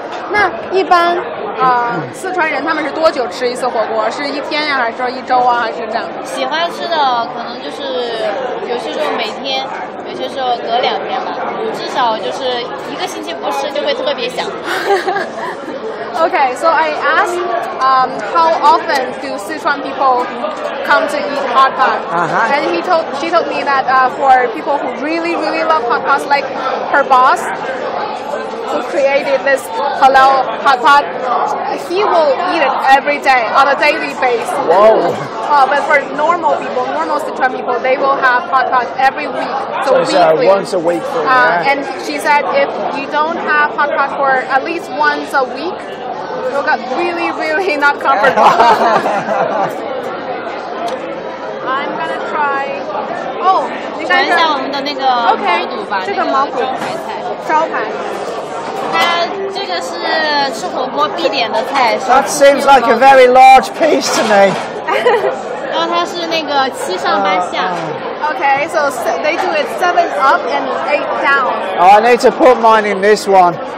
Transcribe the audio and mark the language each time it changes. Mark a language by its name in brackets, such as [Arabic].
[Chinese] 那一般四川人他们是多久吃一次火锅？是一天呀、啊，还是说一周啊，还是这样？喜欢吃的可能就是有些时候每天，有些时候隔两天吧，至少就是一个星期不吃就会特别想。 [English] Okay, so I asked how often do Sichuan people come to eat hot pot? Uh-huh. And she told me that for people who really, really love hot pots, like her boss who created this halal hot pot, he will eat it every day on a daily basis. Whoa. But for normal people, normal Sichuan people, they will have hot pot every week. So it's weekly. Once a week for And she said if you don't have hot pot for at least once a week,you got really, really not comfortable. I'm gonna try. Oh, [Chinese] 你看一下我们的那个毛肚吧，这个毛肚招牌菜。招牌。它这个是吃火锅必点的菜。 [English] That seems like a very large piece to me. [Chinese] 然后它是那个七上八下。 [English] Okay, so they do it 7 up and 8 down. Oh, I need to put mine in this one.